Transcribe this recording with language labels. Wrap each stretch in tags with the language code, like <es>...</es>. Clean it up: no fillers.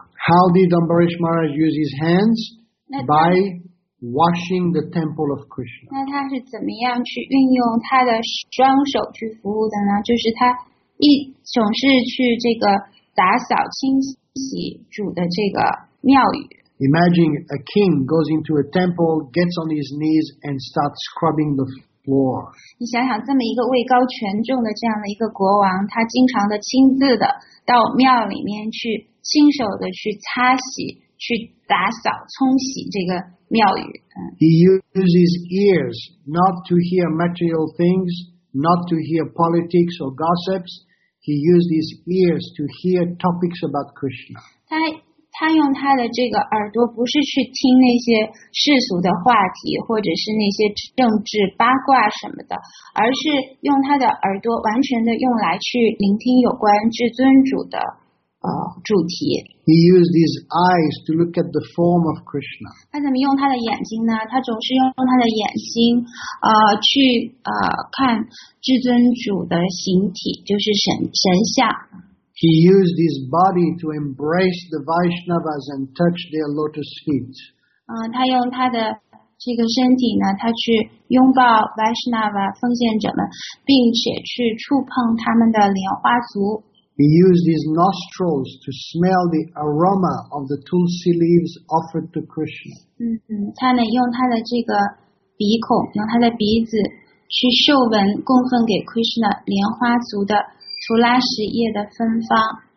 <en>How did Ambarish Maharaj use his hands? By washing the temple of Krishna.</en> <zh>那他是怎么样去运用他的双手去服务的呢？就是他一总是去这个打扫清洗主的这个庙宇。</zh> <en>Imagine a king goes into a temple, gets on his knees, and starts scrubbing the floor.</en> <zh>你想想，这么一个位高权重的这样的一个国王，他经常的亲自的到庙里面去，亲手的去擦洗、去打扫、冲洗这个庙宇。</zh> <en>He uses his ears not to hear material things. Not to hear politics or gossips, he used his ears to hear topics about Krishna.</en> <zh>他用他的这个耳朵不是去听那些世俗的话题或者是那些政治八卦什么的，而是用他的耳朵完全的用来去聆听有关至尊主的主题。</zh> <en>He used his eyes to look at the form of Krishna.</en> <zh>他怎么用他的眼睛呢？他总是用他的眼睛，去看至尊主的形体，就是神像。</zh> <en>He used his body to embrace the Vaishnavas and touch their lotus feet.</en> <zh>他用他的这个身体呢，他去拥抱 Vaishnava 奉献者们，并且去触碰他们的莲花足。</zh> <en>He used his nostrils to smell the aroma of the tulsi leaves offered to Krishna.</en> <zh>他呢用他的这个鼻孔，用他的鼻子去嗅闻供奉给 Krishna 莲花足的图拉什叶的芬芳。</zh>